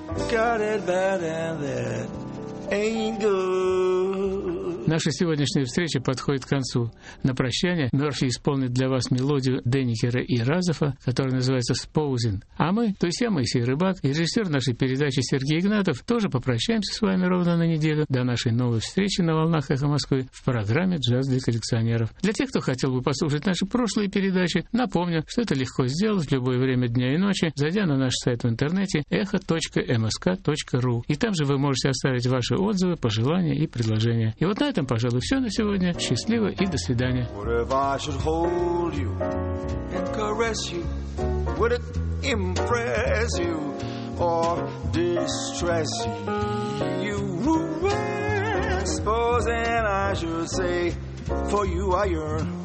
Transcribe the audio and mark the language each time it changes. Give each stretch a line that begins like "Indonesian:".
English: Got it bad and that ain't good.
Russian: Наша сегодняшняя встреча подходит к концу. На прощание Мёрфи исполнит для вас мелодию Деникера и Разофа, которая называется «Споузин». А мы, то есть я, Моисей Рыбак, и режиссер нашей передачи Сергей Игнатов, тоже попрощаемся с вами ровно на неделю до нашей новой встречи на волнах «Эхо Москвы» в программе «Джаз для коллекционеров». Для тех, кто хотел бы послушать наши прошлые передачи, напомню, что это легко сделать в любое время дня и ночи, зайдя на наш сайт в интернете echo.msk.ru. И там же вы можете оставить ваши отзывы, пожелания и предложения. И вот на этом, пожалуй, все на сегодня. Счастливо и до свидания.
English: What if I should hold you and caress you? Would it impress you or distress you? Supposing I should say, for you I yearn.